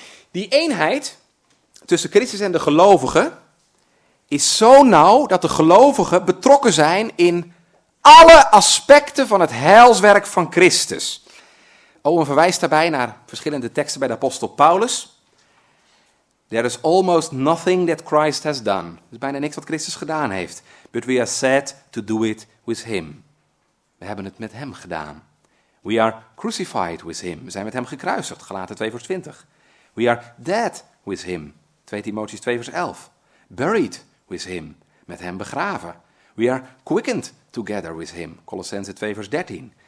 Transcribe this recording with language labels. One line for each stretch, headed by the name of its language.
Dutch: Die eenheid tussen Christus en de gelovigen is zo nauw dat de gelovigen betrokken zijn in alle aspecten van het heilswerk van Christus. Owen verwijst daarbij naar verschillende teksten bij de apostel Paulus.
English: There is almost nothing that Christ has done.
Dutch: Er is bijna niks wat Christus gedaan heeft.
English: But we are set to do it with him.
Dutch: We hebben het met hem gedaan.
English: We are crucified with him.
Dutch: We zijn met hem gekruisigd. Galaten 2 vers 20.
English: We are dead with him.
Dutch: 2 Timotheüs 2 vers 11.
English: Buried with him.
Dutch: Met hem begraven.
English: We are quickened together with him.
Dutch: Colossenzen 2 vers 13.